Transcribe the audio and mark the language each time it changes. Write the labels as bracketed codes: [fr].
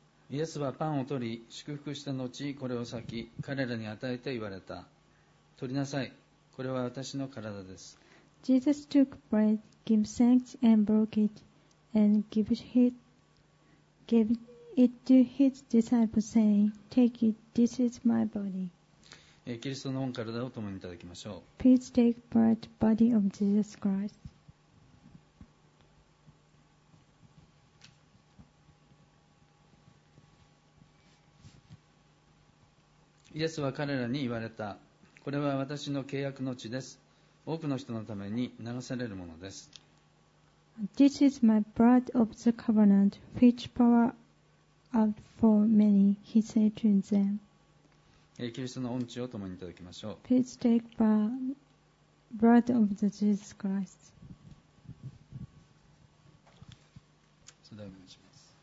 [ja] イエスはパンを取り、祝福した後、これを裂き、彼らに与えて言われた。取りなさい。これは私の体です。 [en] Jesus took bread, gave thanks, and broke it, and gave it to his disciples, saying, Take it, this is my body. [ja] キリストの御体を共にいただきましょう。 [en] Please take bread, body of Jesus Christ. [ja] イエスは彼らに言われた。これは私の契約の血です。多くの人のために流されるものです。 [en] This is my blood of the covenant, which pour out for many, he said to them. [ja] キリストの御血を共にいただきましょう。 [en] Please take the blood of the Jesus Christ. [ja] それではお願いします。